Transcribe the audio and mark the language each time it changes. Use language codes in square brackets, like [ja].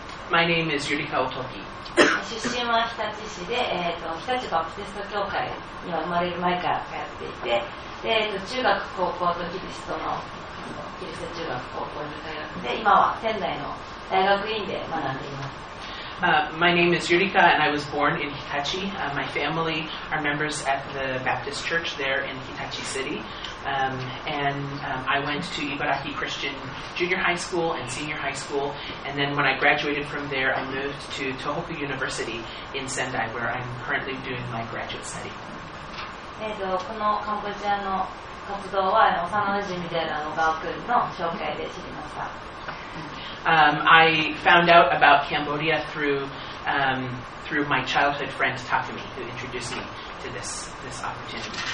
[en] My name is Yurika Otoki. [ja] 出身は日立市で、日立バプテスト教会には生まれる前から通っていて、で中学高校とキリストのキリスト中学高校に通って、今は仙台の大学院で学んでいます。 [en] My name is Yurika and I was born in Hitachi. My family are members at the Baptist Church there in Hitachi City. I went to Ibaraki Christian Junior High School and Senior High School. And then when I graduated from there, I moved to Tohoku University in Sendai, where I'm currently doing my graduate study. [ja] このカンボジアの活動は幼馴染みであるガオ君の紹介で知りました。 [en] I found out about Cambodia through my childhood friend Takumi, who introduced me to this opportunity.